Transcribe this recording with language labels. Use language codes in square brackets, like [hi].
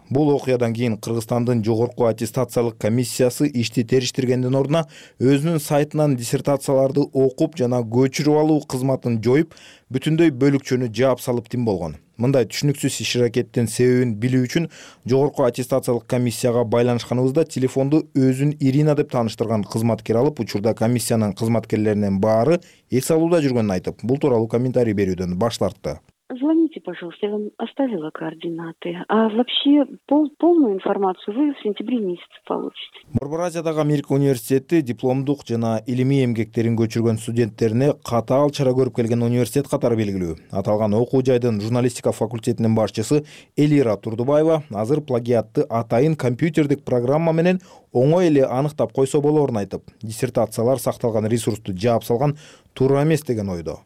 [ky] Бул окуядан кийин Кыргызстандын жогорку аттестациялык комиссиясы ишти териштиргендин ордуна өзүнүн сайтынан диссертацияларды окуп жана көчүрүп алуу кызматын жоюп, бүтүндөй бөлүкчөнү жаап салып тим болгон. Мындай түшүнүксүз иш аракеттин себебин билүү үчүн жогорку аттестациялык комиссияга байланышканыбызда телефонду өзүн Ирина деп тааныштырган кызматкер алып, учурда комиссиянын кызматкерлеринин баары эс алууда жүргөнүн айтып, бул тууралуу комментарий берүүдөн баш тартты. [ru] Звоните, пожалуйста, я вам оставила координаты. А вообще, полную информацию вы в сентябре месяце получите. [ky] Борборазиядагы Америка университети дипломдук жана илимий эмгектерин көчүргөн студенттерине катаал чара көрүп келген университет катары белгилүү. Аталган окуу жайдын журналистика факультетинин башчысы Элира Турдубаева азыр плагиатты атайын компьютердик программа менен оңой эле аныктап койсо болорун айтып, диссертациялар сакталган ресурсту жаап салган туура эмес деген ойдо.